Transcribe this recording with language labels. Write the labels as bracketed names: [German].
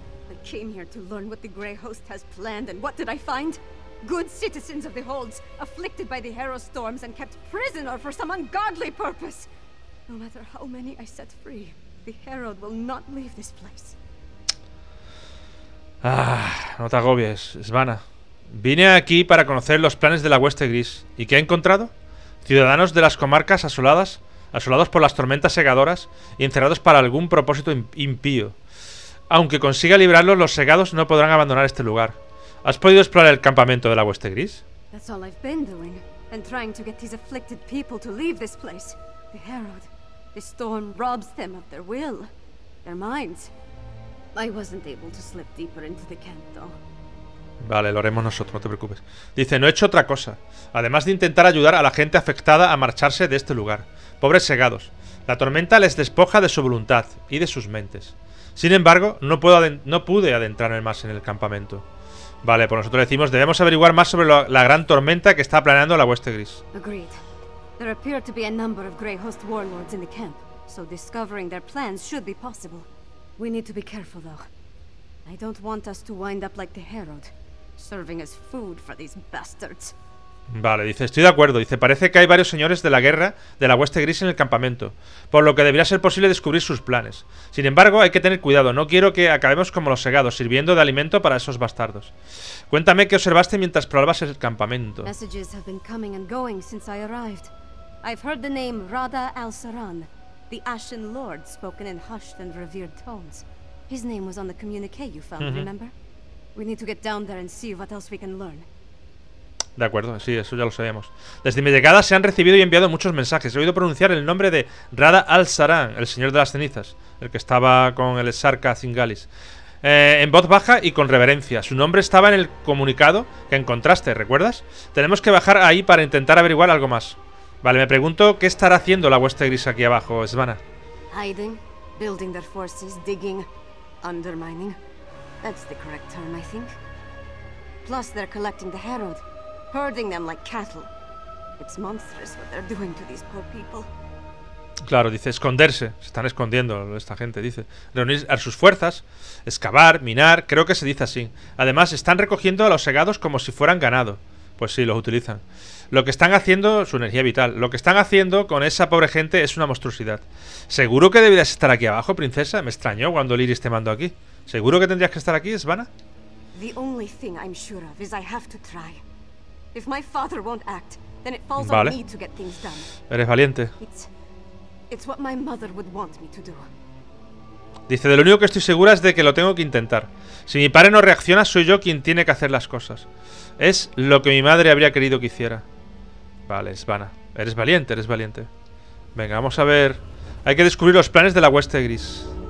[English] I came here to learn what the Grey Host has planned, and what did I find? Good citizens of the Holds, afflicted by the Harrow storms and kept prisoner for some ungodly purpose. No matter how many I set free, the Harrow will not leave this place. [Spanish] Ah, no te agobies, Svana. Vine aquí para conocer los planes de la Hueste Gris. ¿Y qué he encontrado? Ciudadanos de las comarcas asoladas, asolados por las tormentas segadoras y encerrados para algún propósito impío. Aunque consiga librarlos, los segados no podrán abandonar este lugar. ¿Has podido explorar el campamento de la Hueste Gris? [English] That's all I've been doing, and trying to get these afflicted people to leave this place. The Herald, the storm robs them of their will, their minds. I wasn't able to slip deeper into the camp, though. [Spanish] Vale, lo haremos nosotros, no te preocupes. Dice, no he hecho otra cosa, además de intentar ayudar a la gente afectada a marcharse de este lugar. Pobres segados, la tormenta les despoja de su voluntad y de sus mentes. Sin embargo, no pude adentrarme más en el campamento. Vale, pues nosotros decimos, debemos averiguar más sobre la gran tormenta que está planeando la hueste gris. [English] Agreed. There appear to be a number of Grey Host warlords in the camp, so discovering their plans should be possible. We need to be careful though. I don't want us to wind up like the Herald, serving as food for these bastards. [Spanish] Vale, dice, estoy de acuerdo. Dice, parece que hay varios señores de la guerra de la hueste gris en el campamento, por lo que debería ser posible descubrir sus planes. Sin embargo, hay que tener cuidado. No quiero que acabemos como los segados, sirviendo de alimento para esos bastardos. Cuéntame qué observaste mientras probabas el campamento. [English] Messages have been coming and going since I arrived. I've heard the name Radha Al-Saran, the Ashen Lord, spoken in hushed and revered tones. His name was on the communique you found, remember? We need to get down there and see what else we can learn. [Spanish] De acuerdo, sí, eso ya lo sabíamos. Desde mi llegada se han recibido y enviado muchos mensajes. He oído pronunciar el nombre de Radha Al-Saran, el señor de las cenizas, el que estaba con el Sarka Zingalis, en voz baja y con reverencia. Su nombre estaba en el comunicado que encontraste, ¿recuerdas? Tenemos que bajar ahí para intentar averiguar algo más. Vale, me pregunto qué estará haciendo la hueste gris aquí abajo, Svana. [English] Hiding, building their forces, digging, undermining. That's the correct term, I think. Plus they're collecting the Herald. Herding them like cattle. It's monstrous what they're doing to these poor people. [Spanish] Claro, dice, esconderse. Se están escondiendo esta gente, dice. Reunir a sus fuerzas, excavar, minar, creo que se dice así. Además, están recogiendo a los segados como si fueran ganado. Pues sí, los utilizan. Lo que están haciendo, su energía vital, lo que están haciendo con esa pobre gente es una monstruosidad. ¿Seguro que deberías estar aquí abajo, princesa? Me extrañó cuando Liris te mandó aquí. ¿Seguro que tendrías que estar aquí, Svana? [English] The only thing I'm sure of is I have to try. If my father won't act, then it falls [Spanish] vale. [English] on me to get things done. [Spanish] Eres valiente. [English] It's what my mother would want me to do. [Spanish] Dice, de lo único que estoy segura es de que lo tengo que intentar. Si mi padre no reacciona, soy yo quien tiene que hacer las cosas. Es lo que mi madre habría querido que hiciera. Vale, Svana. Eres valiente, eres valiente. Venga, vamos a ver. Hay que descubrir los planes de la hueste gris.